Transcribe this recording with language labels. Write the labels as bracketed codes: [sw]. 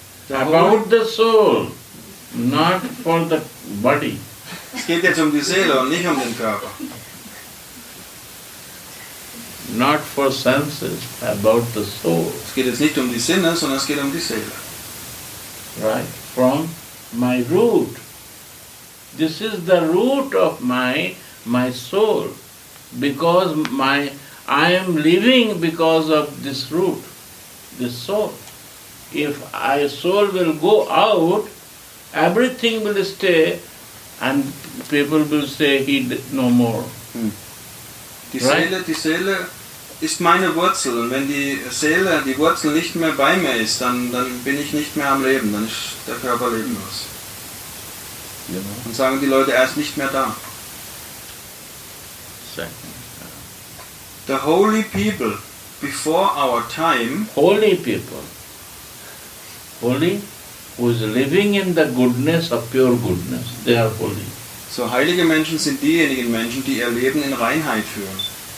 [en] About the soul, not for the body. [de] Es geht jetzt um die Seele und nicht um den Körper. [en] Not for senses, about the soul. [de] Es geht jetzt nicht um die Sinne, sondern es geht um die Seele. [en] Right. From my root. This is the root of my my soul, because my I am living because of this root, this soul. If my soul will go out, everything will stay, and people will say he no more. Hmm. [de] Die Seele ist meine Wurzel, und wenn die Seele, die Wurzel nicht mehr bei mir ist, dann bin ich nicht mehr am Leben, dann ist der Körper lebenlos. Genau. Und sagen die Leute, er ist nicht mehr da. [en] The holy people before our time. Holy people. Holy, who is living in the goodness of pure goodness, they are holy. [de] So heilige Menschen sind diejenigen Menschen, die ihr Leben in Reinheit führen.